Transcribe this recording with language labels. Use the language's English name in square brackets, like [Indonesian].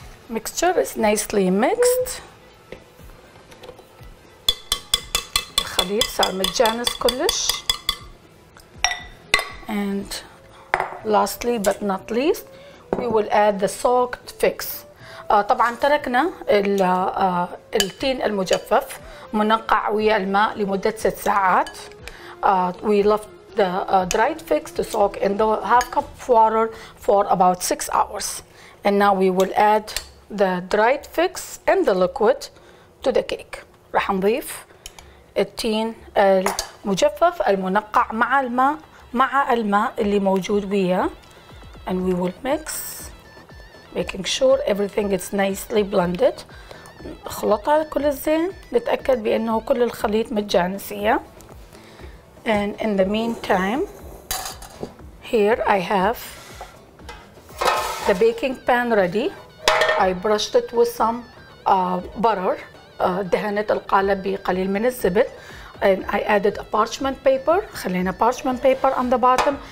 [English] Mixture is nicely mixed. [Arabic] الخليط صار متجانس كلش. [English] And lastly but not least, we will add the soaked figs. [Arabic] طبعا تركنا التين المجفف منقع ويا الماء لمدة 6 ساعات. [English] We left the dried figs to soak in the half cup of water for about 6 hours. And now we will add the dried figs and the liquid to the cake. [Arabic] راح نضيف التين المجفف المنقع مع الماء اللي موجود وياه. [English] And we will mix, making sure everything is nicely blended. [Arabic] نخلطها كل الزين، نتأكد بأنه كل الخليط متجانسية. [English] And in the meantime, here I have the baking pan ready. I brushed it with some butter. [Arabic] دهنت القالب بقليل من الزبد. [English] And I added a parchment paper. [Arabic] خلينا [English] parchment paper on the bottom.